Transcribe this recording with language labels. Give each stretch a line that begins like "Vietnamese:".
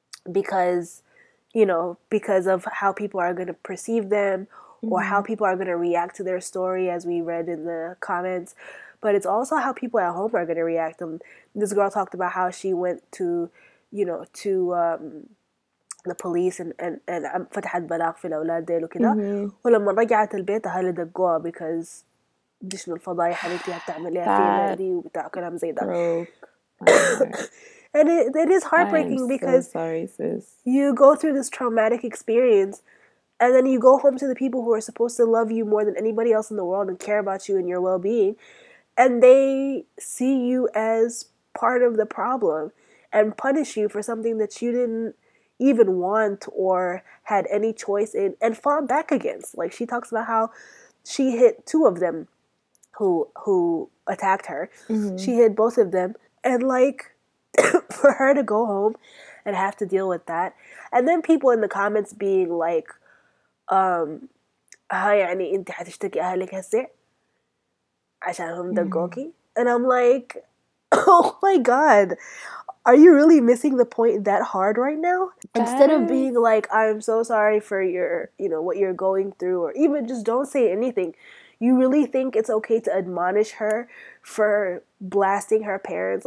English: Because, you know, because of how people are going to perceive them or how people are going to react to their story, as we read in the comments. But it's also how people at home are going to react. And this girl talked about how she went to, you know, to the police and
Arabic: فتحت بلاغ في الأولاد ديل وكده. ولما رجعت البيت أهلي دقوها
English: because
Arabic: دي شنو الفضايح اللي انتي هتعمليها فينا
English: That
Arabic: دي وبتاع كلام زي ده.
English: broke my heart. And it is I am heartbreaking so because sorry, sis. you go through this traumatic experience and then you go home to the people who are supposed to love you more than anybody else in the world and care about you and your well-being, and they see you as part of the problem and punish you for something that you didn't even want or had any choice in and fought back against. Like she talks about how she hit two of them who attacked her. She hit both of them, and like for her to go home and have to deal with that. And then people in the comments being like,
Arabic: هاي يعني انت هتشتكي اهلك هسه عشان هم دقوكي.
English: And I'm like, oh my God, are you really missing the point that hard right now? Instead of being like, I'm so sorry for your, you know, what you're going through, or even just don't say anything. You really think it's okay to admonish her for blasting her parents?